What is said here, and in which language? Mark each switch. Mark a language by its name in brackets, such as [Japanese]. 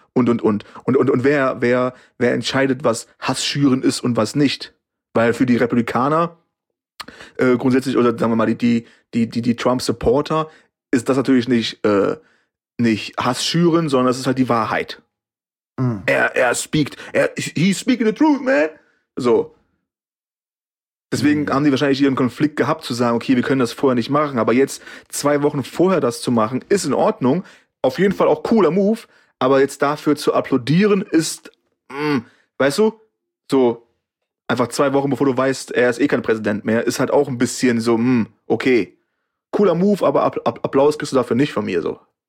[German] Und wer entscheidet, was Hass schüren ist und was nicht? Weil für die Republikaner grundsätzlich, oder sagen wir mal die Trump-Supporter, ist das natürlich nicht Hass schüren, sondern das ist halt die Wahrheit. Mhm. [English] He's speaking the truth, man! [German] So. Deswegen haben die wahrscheinlich ihren Konflikt gehabt, zu sagen, okay, wir können das vorher nicht machen, aber jetzt 2 Wochen vorher das zu machen, ist in Ordnung, auf jeden Fall auch cooler Move, aber jetzt dafür zu applaudieren ist, weißt du, so einfach 2 Wochen, bevor du weißt, er ist kein Präsident mehr, ist halt auch ein bisschen so, okay, cooler Move, aber Applaus kriegst du dafür nicht von mir, so.